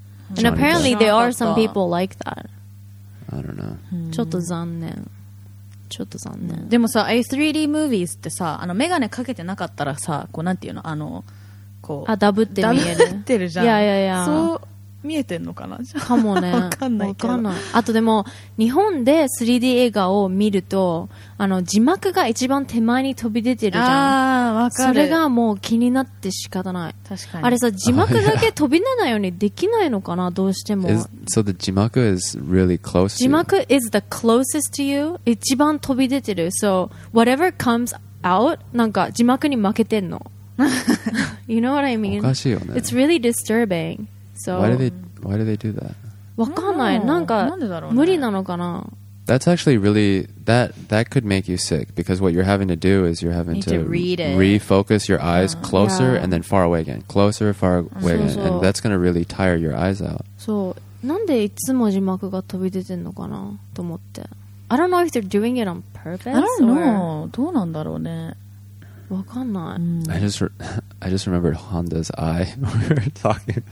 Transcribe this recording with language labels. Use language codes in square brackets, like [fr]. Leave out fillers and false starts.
[en] And apparently there are some people like that. I don't know. [ja] ちょっと残念。ちょっと残念。でもさ、3D ムービーズってさ、あのメガネかけてなかったらさ、こうなんていうの、あのこうあダブって見えるダブってるじゃん。いやいやいや。そう見えてんのかな。かもね。わかんないけど。わかんない。あとでも日本で 3D 映画を見ると、あの字幕が一番手前に飛び出てるじゃん。ああわかる。それがもう気になって仕方ない。確かに。あれさ字幕だけ飛び出ないようにできないのかな、どうしても。 [en] So the 字幕 is really close. 字幕 is the closest to you. [ja] 一番飛び出てる。 [en] So whatever comes out, [ja] なんか字幕に負けてんの。 [en] You know what I mean? [ja] おかしいよね。 [en] It's really disturbing. So why do they do that? [ja] わかんない。なんか無理なのかな。 [en] That's actually really that could make you sick because what you're having to do is you're having to read it. Refocus your eyes closer and then far away again, closer, far away again, and that's gonna really tire your eyes out. So. [ja] なんでいつも字幕が飛び出てんのかなと思って。 [en] I don't know if they're doing it on purpose. I don't know. [ja] どうなんだろうね。わかんない。 [en] I just remembered Honda's eye when we were talking.